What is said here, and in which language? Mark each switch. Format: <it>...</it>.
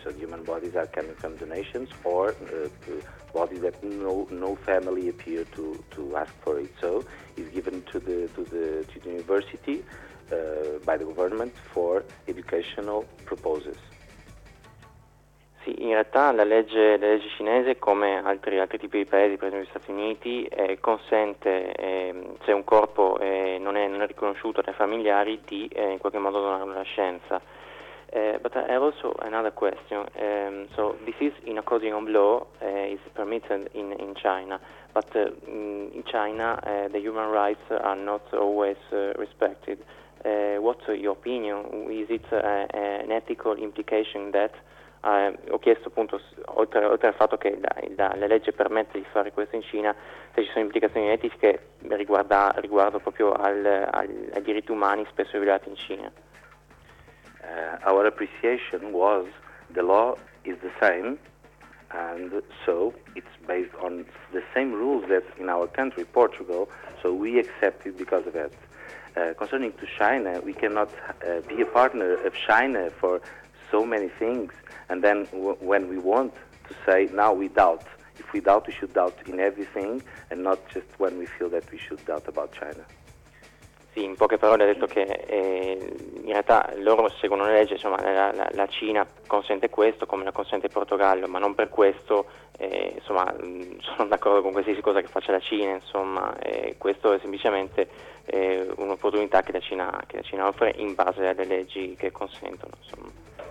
<en>So human bodies are coming from donations or bodies that no family appear to ask for it. So it's given to the university by the government for educational purposes.</en> <it>Sì, in realtà la legge cinese, come altri tipi di paesi, per esempio gli Stati Uniti, consente, se un corpo non è riconosciuto dai familiari, di in qualche modo donare alla scienza.</it> <en>But I have also another question. So this is in accordion with law, is permitted in China, but in China the human rights are not always respected. What's your opinion? Is it an ethical implication that</en> <it>ho chiesto appunto, oltre al fatto che la legge permette di fare questo in Cina, se ci sono implicazioni etiche riguardo proprio ai diritti umani spesso violati in Cina.</it> <en>Our appreciation was the law is the same, and so it's based on the same rules that in our country, Portugal, so we accept it because of that. Concerning to China, we cannot be a partner of China for so many things, and then when we want to say, now we doubt. If we doubt, we should doubt in everything, and not just when we feel that we should doubt about China.</en> <it>Sì, in poche parole ha detto che in realtà loro seguono la legge, insomma la Cina consente questo come la consente il Portogallo, ma non per questo insomma sono d'accordo con qualsiasi cosa che faccia la Cina, insomma questo è semplicemente un'opportunità che la Cina offre in base alle leggi che consentono, insomma.</it>